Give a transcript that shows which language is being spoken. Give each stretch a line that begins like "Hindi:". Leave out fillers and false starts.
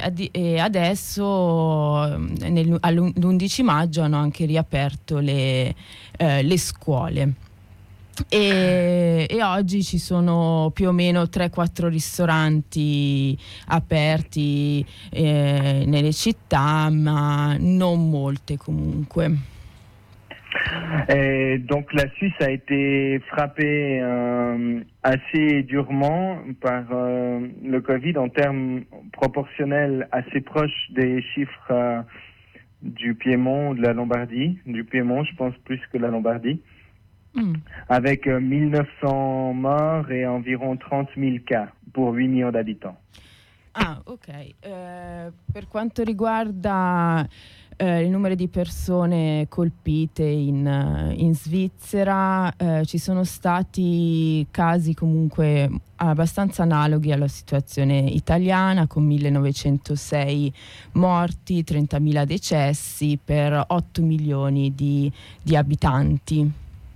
Italian: E adesso, l'11 maggio, hanno anche riaperto le scuole. E oggi ci sono più o meno 3-4 ristoranti aperti nelle città, ma non molte comunque.
French: Donc la Suisse a été frappée assez durement par le Covid en termes proportionnels assez proches des chiffres du Piémont, de la Lombardie, du Piémont je pense plus que la Lombardie. Avec 1900 morts et environ 30 000 cas pour 8 millions d'habitants. Ah, ok.
Italian: Per quanto riguarda il numero di persone colpite in Svizzera, ci sono stati casi comunque abbastanza analoghi alla situazione italiana, con 1906 morti, 30.000 decessi per 8 milioni di abitanti.